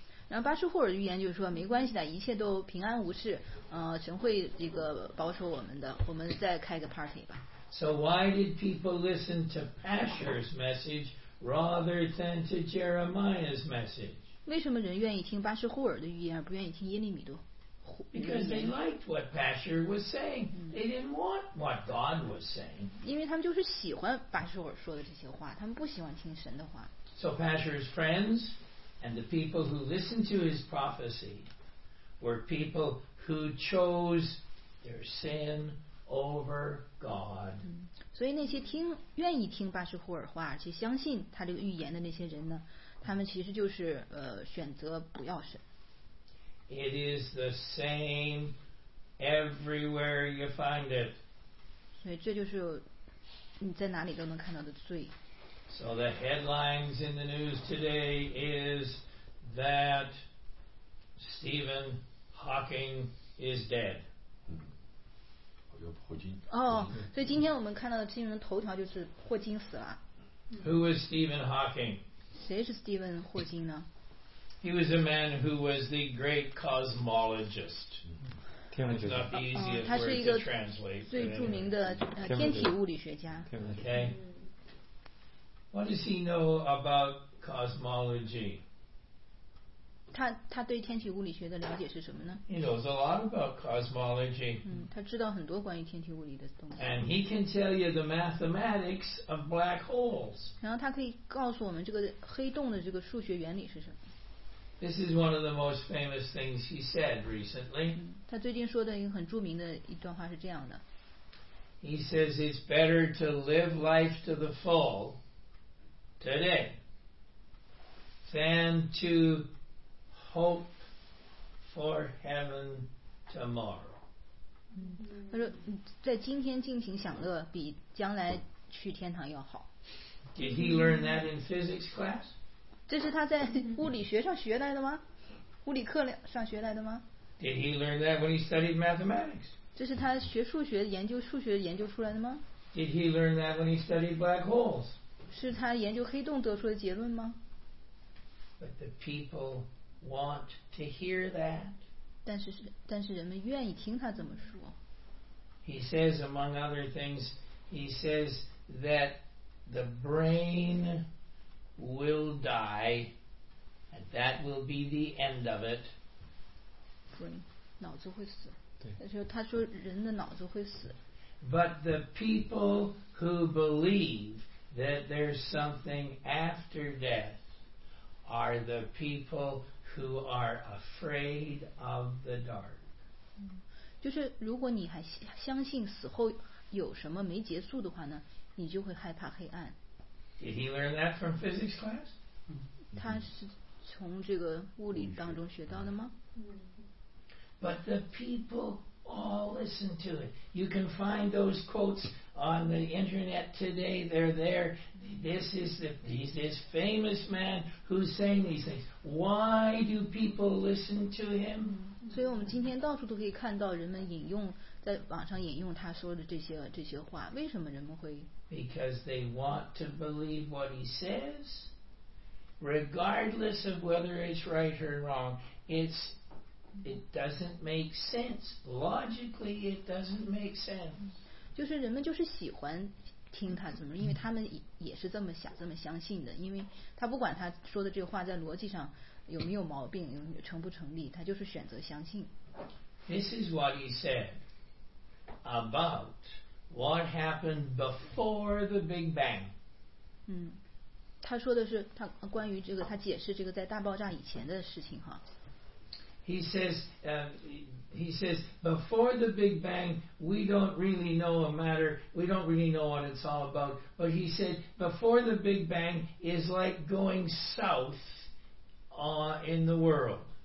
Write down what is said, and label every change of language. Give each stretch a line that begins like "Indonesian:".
Chinese: 然后巴士户尔预言就是说没关系的，一切都平安无事，神会这个保守我们的，我们再开个 party 吧。
English: So why did people listen to Pashur's message rather than to Jeremiah's message?
Chinese: 为什么人愿意听巴士户尔的预言而不愿意听耶利米的？
English: Because they liked what Pashur was saying. They didn't want what God was saying.
Chinese: 因为他们就是喜欢巴士户尔说的这些话，他们不喜欢听神的话。
English: So Pashur's friends and the people who listened to his prophecy were people who chose their sin over God.
Chinese: 所以那些听愿意听巴士户尔话而且相信他这个预言的那些人呢，他们其实就是选择不要神。
English: It is the same everywhere you find it.
Chinese: 所以这就是你在哪里都能看到的罪。
English: So the headlines in the news today is that Stephen Hawking is dead.
Chinese: 霍金。哦，所以今天我们看到的新闻头条就是霍金死了。
English: Who is Stephen Hawking?
Chinese: 谁是 Stephen 霍金呢？
English: He was a man who was the great cosmologist.
Chinese: 天文学家。他是一个最著名的天体物理学家。
English: Okay. What does he know about cosmology?
Chinese: 他对天体物理学的了解是什么呢？
English: He knows a lot about cosmology.
Chinese: 他知道很多关于天体物理的东西。
English: And he can tell you the mathematics of black holes.
Chinese: 然后他可以告诉我们这个黑洞的这个数学原理是什么。
English: This is one of the most famous things he said recently.
Chinese: 他最近说的一个很著名的一段话是这样的。
English: He says it's better to live life to the full. Today, than to hope for heaven tomorrow.
Chinese: 他说，在今天尽情享乐比将来去天堂要好。
English: Did he learn that in physics class?
Chinese: 这是他在物理学上学来的吗？物理课上学来的吗？
English: Did he learn that when he studied mathematics?
Chinese: 这是他学数学研究数学研究出来的吗？
English: Did he learn that when he studied black holes?
Chinese: 是他研究黑洞得出的结论吗？
English: But the people want to hear that.
Chinese: 但是人们愿意听他这么说。
English: He says, among other things, he says that the brain will die and that will be the end of it.
Chinese: Brain, 脑子会死。就他说人的脑子会死。
English: But the people who believe that there's something after death are the people who are afraid of the dark.
Chinese: 就是如果你还相信死后有什么没结束的话呢，你就会害怕黑暗。
English: Did he learn that from physics class?
Chinese: 他是从这个物理当中学到的吗？
English: But the people all listen to it. You can find those quotes on the internet today. They're there. This is he's this famous man who's saying these things. Why do people listen to him?
Chinese: 所以我们今天到处都可以看到人们引用，在网上引用他说的这些话。为什么人们会？
English: Because they want to believe what he says. Regardless of whether it's right or wrong, it doesn't make sense. Logically, it doesn't make sense.
Chinese: 就是人们就是喜欢听他怎么，因为他们也是这么想、这么相信的。因为他不管他说的这个话在逻辑上有没有毛病、成不成立，他就是选择相信。
English: This is what he said about what happened before the Big Bang.
Chinese: 他说的是他关于这个，他解释这个在大爆炸以前的事情哈。
English: He says, before the Big Bang, we don't really know a matter, we don't really know what it's all about. But he said, before the Big Bang is like going south, in the world.